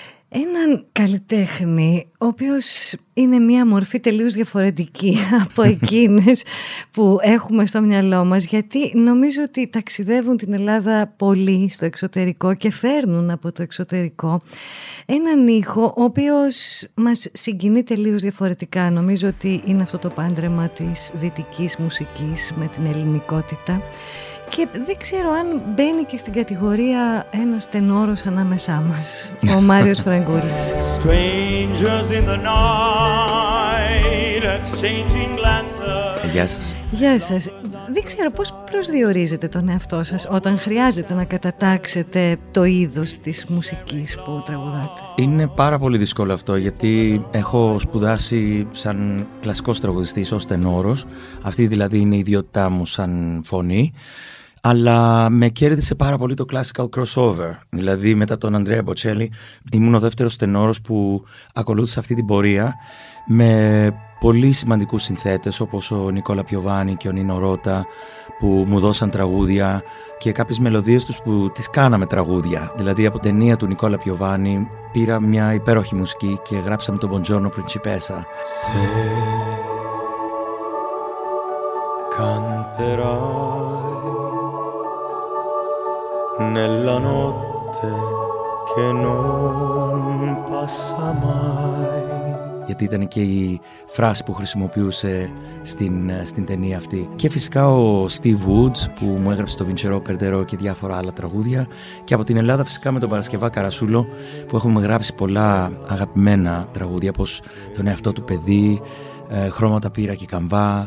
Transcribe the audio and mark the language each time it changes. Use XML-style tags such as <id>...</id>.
<el>Έναν καλλιτέχνη, ο οποίος είναι μια μορφή τελείως διαφορετική από εκείνες που έχουμε στο μυαλό μας, γιατί νομίζω ότι ταξιδεύουν την Ελλάδα πολύ στο εξωτερικό και φέρνουν από το εξωτερικό έναν ήχο ο οποίος μας συγκινεί τελείως διαφορετικά. Νομίζω ότι είναι αυτό το πάντρεμα της δυτικής μουσικής με την ελληνικότητα. Και δεν ξέρω αν μπαίνει και στην κατηγορία ένας τενόρος ανάμεσά μας, ο Μάριος Φραγκούλης.</el> <en>Strangers in the night, exchanging glances.</en> <el>Γεια σας. Γεια σας. Δεν ξέρω πώς προσδιορίζετε τον εαυτό σας όταν χρειάζεται να κατατάξετε το είδος της μουσικής που τραγουδάτε. Είναι πάρα πολύ δύσκολο αυτό, γιατί έχω σπουδάσει σαν κλασικός τραγουδιστής ως τενόρος. Αυτή δηλαδή είναι η ιδιότητά μου σαν φωνή. Αλλά με κέρδισε πάρα πολύ το classical crossover. Δηλαδή μετά τον Ανδρέα Μποτσέλη ήμουν ο δεύτερος τενόρος που ακολούθησε αυτή την πορεία με πολύ σημαντικούς συνθέτες όπως ο Νικόλα Πιοβάνη και ο Νίνο Ρότα που μου δώσαν τραγούδια και κάποιες μελωδίες τους που τις κάναμε τραγούδια. Δηλαδή από ταινία του Νικόλα Πιοβάνη πήρα μια υπέροχη μουσική και γράψαμε τον Bonjourno Principessa.</el> <it>Σε canterai nella notte che non passa mai.</it> <el>Γιατί ήταν και η φράση που χρησιμοποιούσε στην ταινία αυτή. Και φυσικά ο Steve Woods που μου έγραψε το Vincero Perdero και διάφορα άλλα τραγούδια. Και από την Ελλάδα φυσικά με τον Παρασκευά Καρασούλο που έχουμε γράψει πολλά αγαπημένα τραγούδια όπως τον εαυτό του παιδί, χρώματα πύρα και καμβά.</el>